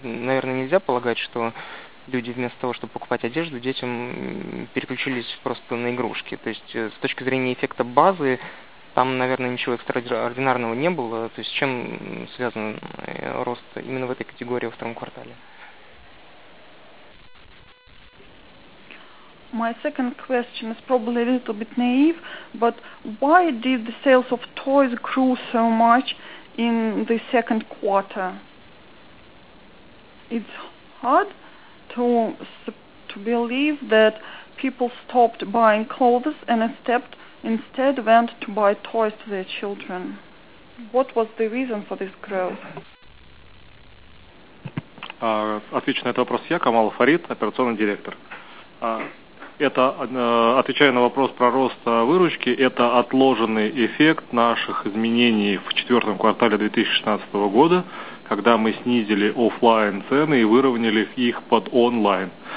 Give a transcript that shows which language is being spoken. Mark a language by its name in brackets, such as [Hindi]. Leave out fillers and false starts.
[Russian] Наверное, нельзя полагать, что люди вместо того, чтобы покупать одежду, детям переключились просто на игрушки. То есть с точки зрения эффекта базы, там, наверное, ничего экстраординарного не было. То есть с чем связан рост именно в этой категории во втором квартале? [English] My second question is probably a little bit naive, but why did the sales of toys grow so much in the second quarter? It's hard to believe that people stopped buying clothes and instead went to buy toys to their children. What was the reason for this growth? [Russian] Отвечу на этот вопрос я, Камал Фарид, операционный директор. Это, отвечая на вопрос про рост выручки, это отложенный эффект наших изменений в четвертом квартале 2016 года, когда мы снизили офлайн цены и выровняли их под онлайн.